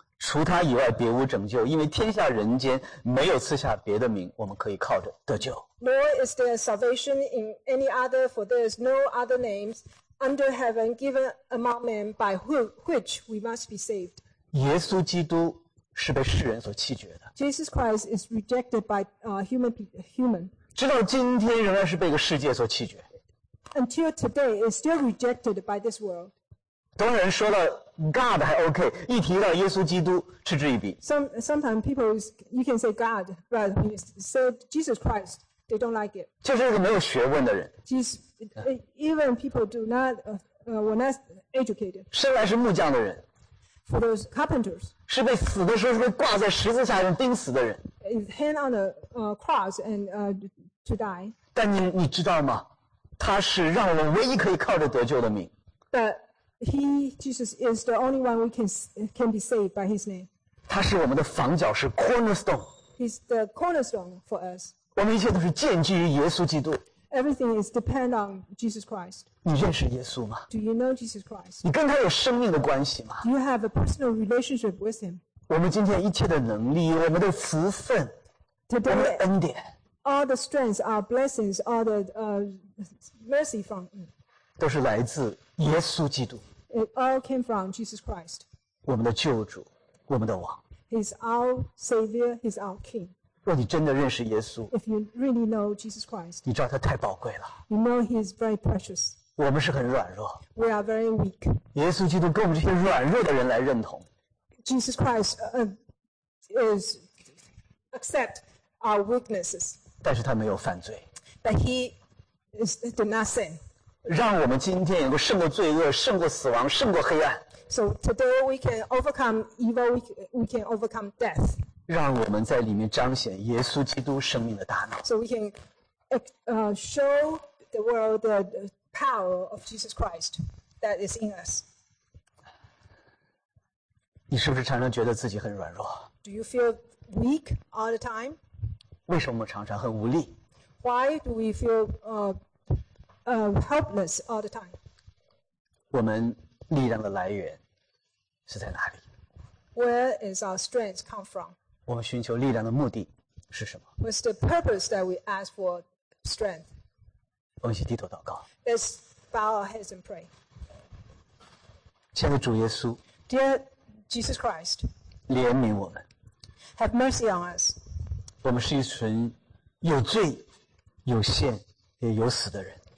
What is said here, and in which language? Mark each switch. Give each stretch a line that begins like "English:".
Chinese: 除他以外别无拯救，因为天下人间没有赐下别的名，我们可以靠着得救。
English: Nor is there salvation in any other, for there is no other names under heaven given among men by which we must be saved.
Chinese: 耶稣基督是被世人所弃绝的。
English: Jesus Christ is rejected by human.
Chinese: 直到今天仍然是被个世界所弃绝。
English: Until today, is still rejected by this world.
Chinese: 当人说了 God 还 OK， 一提到耶稣基督嗤之以鼻。
English: Sometimes people you can say God, but when you say Jesus Christ, they don't like it.
Chinese: 就是一个没有学问的人。
English: Even people do not were not educated.
Chinese: 生来是木匠的人。
English: For those carpenters.
Chinese: 是被死的时候是被挂在十字架上钉死的人。
English: Hang on a cross and to die.
Chinese: 但你知道吗？他是让我们唯一可以靠着得救的名。
English: He, Jesus, is the only one we can be saved by His name.
Chinese: 他是我们的房角，是 cornerstone.
English: He's the cornerstone for us.
Chinese: 我们一切都是建基于耶稣基督。
English: Everything is depend on Jesus Christ.
Chinese: 你认识耶稣吗
English: ？Do you know Jesus Christ?
Chinese: 你跟他有生命的关系吗
English: ？Do you have a personal relationship with Him?
Chinese: 我们今天一切的能力，我们的福分，
English: Today,
Chinese: 我们的恩典
English: ，all the strengths, our blessings, all the mercy from Him.
Chinese: 都是来自耶稣基督。
English: It all came from Jesus Christ.
Chinese: 我们的救主，我们的王。
English: He's our Savior. He's our King.
Chinese: 若你真的认识耶稣
English: ，If you really know Jesus Christ，
Chinese: 你知道他太宝贵了。
English: You know He is very precious.
Chinese: 我们是很软弱。
English: We are very weak.
Chinese: 耶稣基督跟我们这些软弱的人来认同。
English: Jesus Christ is accept our weaknesses.
Chinese: 但是他没有犯罪。
English: But He is did not sin.
Chinese: 让我们今天能够胜过罪恶，胜过死亡，胜过黑暗。
English: So today we can overcome evil. We can overcome death.
Chinese: 让我们在里面彰显耶稣基督生命的大能。
English: So we can show the world the power of Jesus Christ that is in us.
Chinese: 你是不是常常觉得自己很软弱
English: ？Do you feel weak all the time?
Chinese: 为什么我们常常很无力
English: ？Why do we feel helpless all the time.
Chinese: 我们力量的来源是在哪里
English: ？Where is our strength come from?
Chinese: 我们寻求力量的目的是什么
English: ？What's the purpose that we ask for strength?
Chinese: 我们一起低头祷告。
English: Let's bow our heads and pray.
Chinese: 亲爱的主耶稣
English: ，Dear Jesus Christ，
Chinese: 怜悯我们。
English: Have mercy on us.
Chinese: 我们是一群有罪、有限、也有死的人。